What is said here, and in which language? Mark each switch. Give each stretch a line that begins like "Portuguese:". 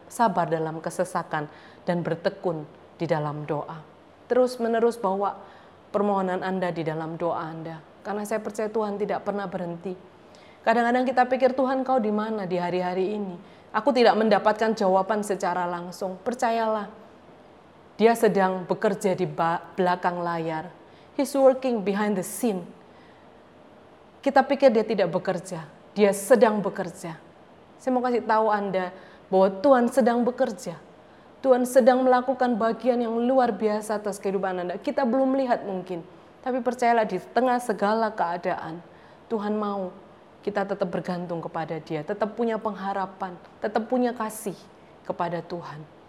Indonesian: Sabar dalam kesesakan dan bertekun di dalam doa. Terus menerus bawa permohonan Anda di dalam doa Anda. Karena saya percaya Tuhan tidak pernah berhenti. Kadang-kadang kita pikir, Tuhan kau di mana di hari-hari ini? Aku tidak mendapatkan jawaban secara langsung. Percayalah, Dia sedang bekerja di belakang layar.
English: He's working behind the scene.
Indonesian: Kita pikir Dia tidak bekerja. Dia sedang bekerja. Saya mau kasih tahu Anda bahwa Tuhan sedang bekerja. Tuhan sedang melakukan bagian yang luar biasa atas kehidupan Anda. Kita belum melihat mungkin, tapi percayalah di tengah segala keadaan, Tuhan mau kita tetap bergantung kepada Dia, tetap punya pengharapan, tetap punya kasih kepada Tuhan.